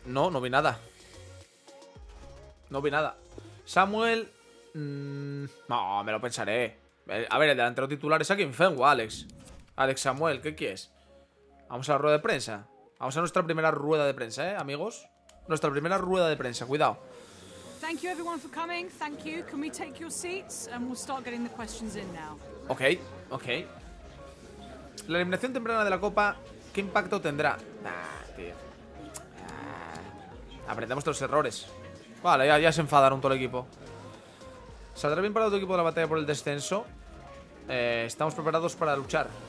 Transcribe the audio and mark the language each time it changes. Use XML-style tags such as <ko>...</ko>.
<es>No, no vi nada. No vi nada. Samuel... No, me lo pensaré. A ver, el delantero titular es aquí en Fengu, Alex. Alex Samuel, ¿qué quieres? Vamos a la rueda de prensa. Vamos a nuestra primera rueda de prensa, ¿eh, amigos? Nuestra primera rueda de prensa, cuidado.</es> <en>Thank you everyone for coming. Thank you. Can we take your seats and we'll start getting the questions in now. Okay, okay.</en> <es>La eliminación temprana de la Copa, ¿qué impacto tendrá? Nah, tío. Aprendemos de los errores. Vale, ya se enfadaron todo el equipo. ¿Saldrá bien parado tu equipo de la batalla por el descenso? Estamos preparados para luchar.</es>